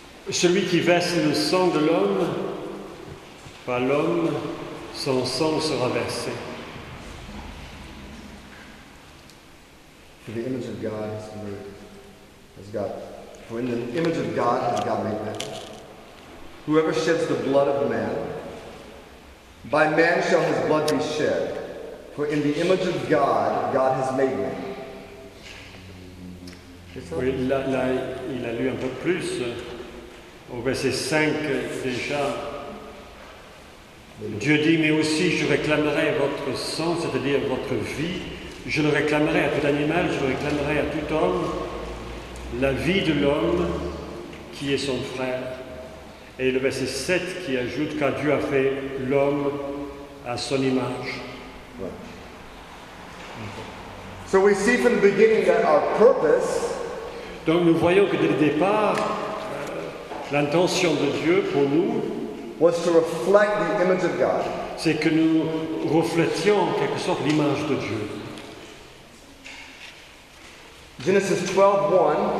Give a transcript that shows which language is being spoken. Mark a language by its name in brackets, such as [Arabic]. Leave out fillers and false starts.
[French] Celui qui verse le sang de l'homme, par l'homme, son sang sera versé. [English] For the image of God has made, has God, for in the image of God has God made man. Whoever sheds the blood of man, by man shall his blood be shed, for in the image of God, God has made man. [French] Oui, là, il a lu un peu plus, au verset 5 déjà. Dieu dit, mais aussi je réclamerai votre sang, c'est-à-dire votre vie, je le réclamerai à tout animal, je le réclamerai à tout homme, la vie de l'homme qui est son frère. Et le verset 7 qui ajoute car Dieu a fait l'homme à son image. [English] Right. So we see from the beginning that our purpose. [French] Donc nous voyons que dès le départ, l'intention de Dieu pour nous [English] was to reflect the image of God. [French] C'est que nous reflétions en quelque sorte l'image de Dieu. [English] Genesis 12:1.